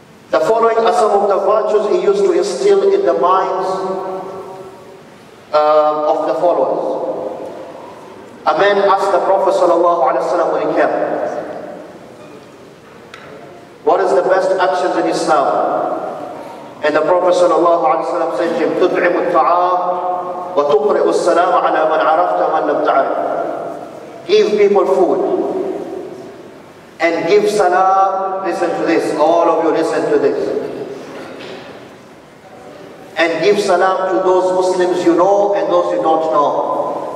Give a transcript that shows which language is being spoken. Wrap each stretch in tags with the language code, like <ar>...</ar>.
<en>The following are some of the virtues he used to instill in the minds of the followers. A man asked the Prophet sallallahu alaihi wasallam when he came, what is the best actions in Islam? And the Prophet sallallahu alaihi wasallam said to him,</en> <ar>تُطْعِمُ الطَّعَامُ وَتُقْرِئُ السَّلَامَ عَلَى مَنْ عَرَفْتَ مَنْ لَمْ تَعَرِفْ.</ar> <en>Give people food and give salam. Listen to this, all of you listen to this. And give salam to those Muslims you know and those you don't know.</en>